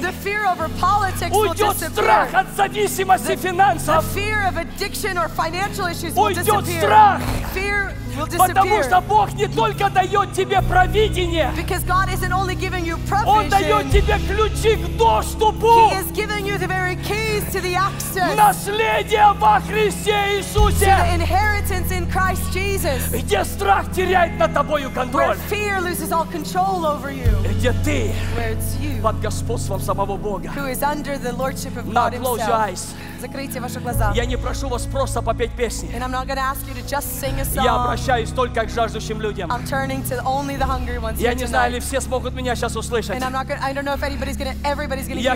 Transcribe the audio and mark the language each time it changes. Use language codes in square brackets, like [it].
[en] The fear over politics. [ru] Уйдет страх от зависимости [en] the, [ru] финансов. [en] The fear of addiction or financial issues [ru] уйдет [en] will disappear. [ru] Страх. [en] Fear will disappear. [ru] Потому что Бог не только дает тебе провидение. [en] Because God isn't only giving you provision. [ru] Он дает тебе ключи к доступу. [en] He has given you the very keys to the access. [ru] Наследие во Христе Иисусе. [en] To the inheritance in Christ Jesus. [ru] Где страх теряет над тобою контроль. [en] Where fear loses all control over you. [ru] Где ты. [en] Where it's you. [ru] Под господством самого Бога. [en] Who is under the lordship of God himself. Close your eyes. [ru] Закройте ваши глаза. Я не прошу вас просто попеть песни. [en] And I'm not going to ask you to just sing a song. [ru] Я обращаюсь только к жаждущим людям. [en] I'm turning to only the hungry ones. [ru] Я не знаю, ли все смогут меня сейчас услышать. [en] And I'm not gonna, I don't know if anybody's going to, everybody's going to hear me.